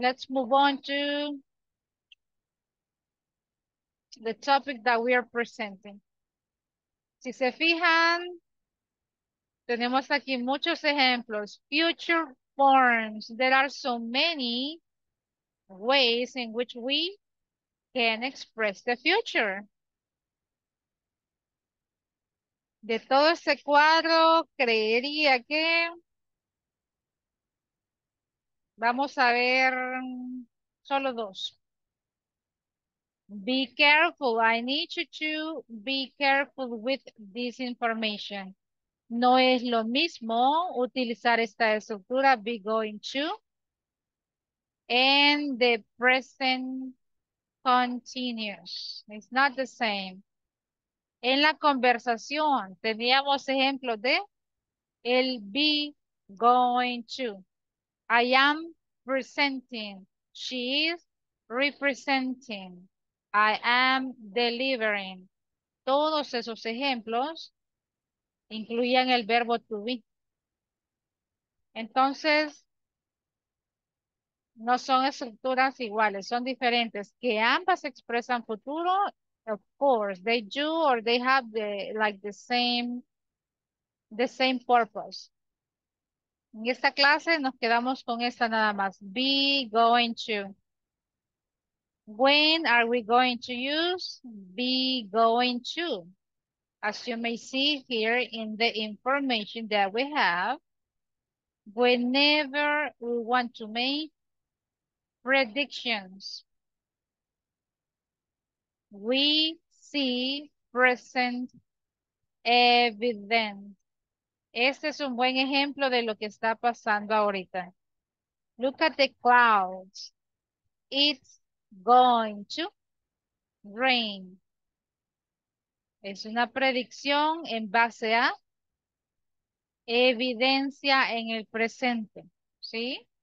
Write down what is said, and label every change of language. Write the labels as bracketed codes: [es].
[en] Let's move on to the topic that we are presenting. [es] Si se fijan, tenemos aquí muchos ejemplos. [en] Future forms. There are so many ways in which we can express the future. [es] De todo este cuadro, creería que vamos a ver solo dos. [en] Be careful. I need you to be careful with this information. [es] No es lo mismo utilizar esta estructura, [en] be going to, and the present continuous. It's not the same. [es] En la conversación teníamos ejemplos de el be [en] going to. I am presenting. She is representing. I am delivering. [es] Todos esos ejemplos incluían el verbo to be. Entonces, no son estructuras iguales, son diferentes. Que ambas expresan futuro, [en] of course, they do or they have the, like the same purpose. [es] En esta clase nos quedamos con esta nada más. [en] Be going to. When are we going to use be going to? As you may see here in the information that we have, whenever we want to make predictions, we see present evidence. [es] Este es un buen ejemplo de lo que está pasando ahorita. [en] Look at the clouds. It's going to rain. [es] Es una predicción en base a evidencia en el presente. ¿Sí?